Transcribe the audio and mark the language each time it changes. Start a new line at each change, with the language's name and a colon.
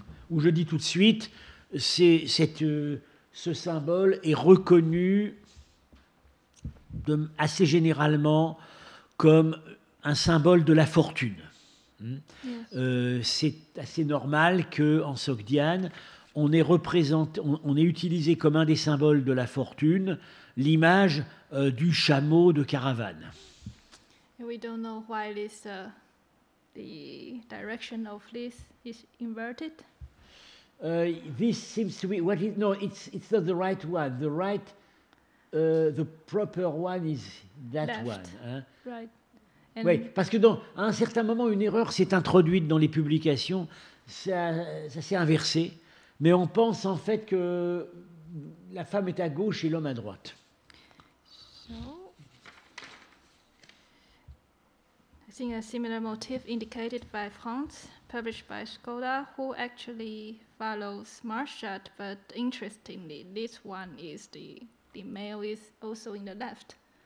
French: Où je dis tout de suite, ce symbole est reconnu assez généralement comme un symbole de la fortune. C'est assez normal qu'en sogdiane, on est utilisé comme un des symboles de la fortune l'image du chameau de caravane.
English: And we don't know why this the direction of this is inverted. This seems to be what is no, it's not the right one. The right, the proper one is that left. One. Hein? Right.
French: And oui, parce que dans à un certain moment, une erreur s'est introduite dans les publications, ça s'est inversé, mais on pense en fait que la femme est à gauche et l'homme à droite.
English: So, I think a similar motif indicated by France, published by Skoda, who actually follows Marshall, but interestingly, this one is the male is also in the left.